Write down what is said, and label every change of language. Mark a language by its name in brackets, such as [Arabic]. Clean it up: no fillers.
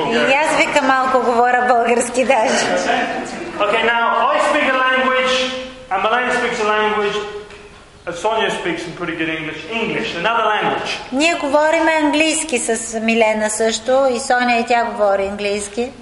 [Bulgarian] И аз вика малко говоря български даже. [English] Okay, now I speak a language and Melanie speaks a language. Sonia speaks some pretty good English. English, another language. [Bulgarian] Ние говорим английски с Милена също, и Соня и тя говори английски.